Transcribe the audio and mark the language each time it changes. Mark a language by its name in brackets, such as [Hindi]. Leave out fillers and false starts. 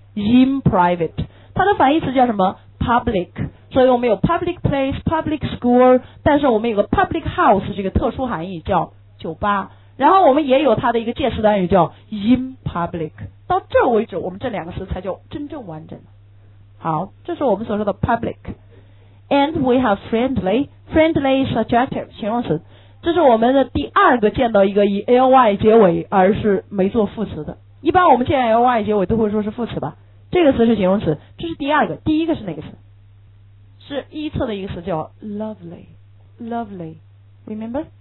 [Chinese] in private。 它的反义词叫什么？public。所以我们有 public place, public school, 但是我们有个 public house, 这个特殊含义叫酒吧。然后我们也有它的一个介词短语叫 in public。到这为止，我们这两个词才叫真正完整。好，这是我们所说的 public。 [English] And we have friendly, friendly is adjective, [Chinese] 形容词。这是我们的第二个见到一个以 ly 结尾而是没做副词的。一般我们见 ly 结尾都会说是副词吧。这个词是形容词，这是第二个，第一个是哪个词？是一侧的一个词叫 lovely, lovely, remember?